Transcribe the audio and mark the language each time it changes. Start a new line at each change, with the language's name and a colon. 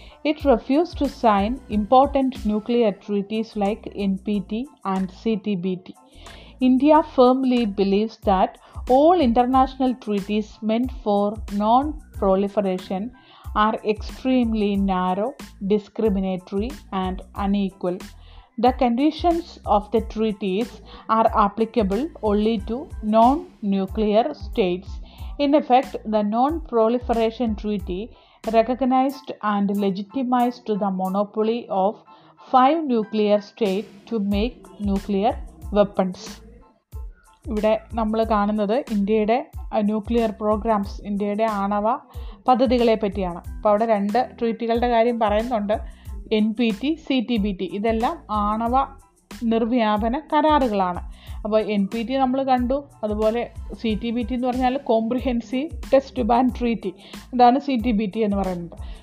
English: It refuse to sign important nuclear treaties like NPT and CTBT. India firmly believes that all international treaties meant for non proliferation are extremely narrow, discriminatory and unequal. The conditions of the treaties are applicable only to non-nuclear states. In effect, the non-proliferation treaty recognized and legitimized the monopoly of 5 nuclear states to make nuclear weapons.
Malayalam: ഇവിടെ നമ്മൾ കാണുന്നത് ഇന്ത്യയുടെ nuclear programmes, ഇന്ത്യയുടെ ആണവ പദ്ധതികളെ പറ്റിയാണ്. അപ്പോൾ അവിടെ രണ്ട് ട്രീറ്റികളുടെ കാര്യം പറയുന്നുണ്ട്, NPT, CTBT. ഇതെല്ലാം ആണവ നിർവ്യാപന കരാറുകളാണ്. അപ്പോൾ NPT നമ്മൾ കണ്ടു, അതുപോലെ CTBT എന്ന് പറഞ്ഞാൽ കോംപ്രിഹെൻസീവ് ടെസ്റ്റ് ബാൻ ട്രീറ്റി, അതാണ് CTBT എന്ന് പറയുന്നത്.